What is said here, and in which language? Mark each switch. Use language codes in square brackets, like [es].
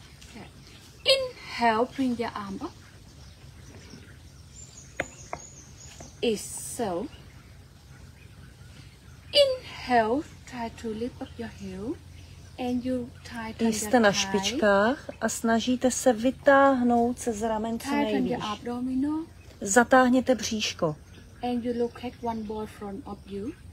[en] Okay. Inhale, bring your arm up. Exhale. Inhale, try to lift up your heel. And you tighten your [cs] jste na špičkách a snažíte se vytáhnout se z ramen co nejvíš. [en] Tighten your abdominal. [cs] Zatáhněte bříško. [en] And you look at one ball front of you.